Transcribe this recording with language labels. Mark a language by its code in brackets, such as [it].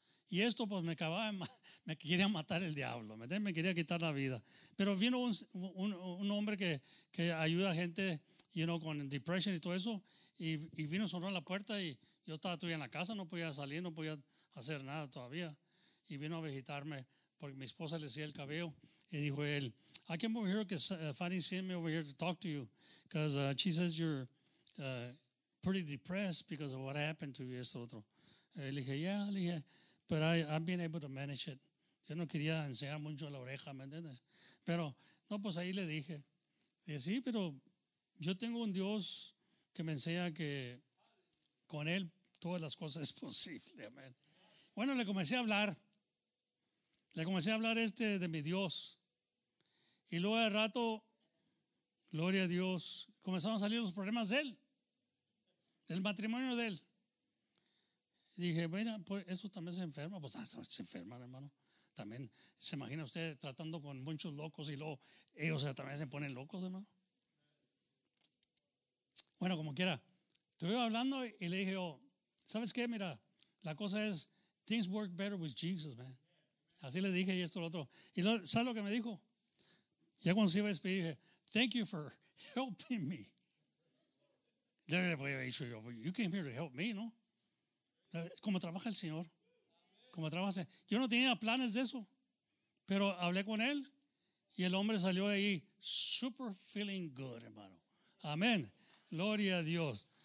[es] Y esto pues me acababa, me quería matar el diablo, me quería quitar la vida. Pero vino un hombre que ayuda a gente, you know, con depression y todo eso, y vino, cerró la puerta y yo estaba todavía en la casa, no podía salir, no podía hacer nada todavía. Y vino a visitarme porque mi esposa le hacía el cabello. Y dijo él, [en] I came over here because Fanny sent me over here to talk to you because she says you're pretty depressed because of what happened to you, [es] esto otro. Y le dije, [en] yeah, le dije, but I've been able to manage it. [es] Yo no quería enseñar mucho la oreja, ¿me entiendes? Pero, no, pues ahí le dije. Dije, sí, pero yo tengo un Dios que me enseña que con él todas las cosas es posible, amén. Bueno, le comencé a hablar. Le comencé a hablar este de mi Dios. Y luego al rato, gloria a Dios, comenzaron a salir los problemas de él, del matrimonio de él. Y dije, mira, pues esto también se enferma. Pues se enferma, hermano. También se imagina usted tratando con muchos locos y luego ellos también se ponen locos, hermano. Bueno, como quiera. Estuve hablando y le dije, oh, ¿sabes qué? Mira, la cosa es, [en] things work better with Jesus, man. [es] Así le dije y esto y lo otro. Y lo, ¿sabes lo que me dijo? Ya cuando se iba a despedir, dije, [en] thank you for helping me. [es] Yo le voy a decir, [en] you came here to help me, [es] ¿no? Como trabaja el Señor. Como trabaja el Señor. Yo no tenía planes de eso. Pero hablé con él y el hombre salió de ahí super [en] feeling good, [es] hermano. Amén. Gloria a Dios.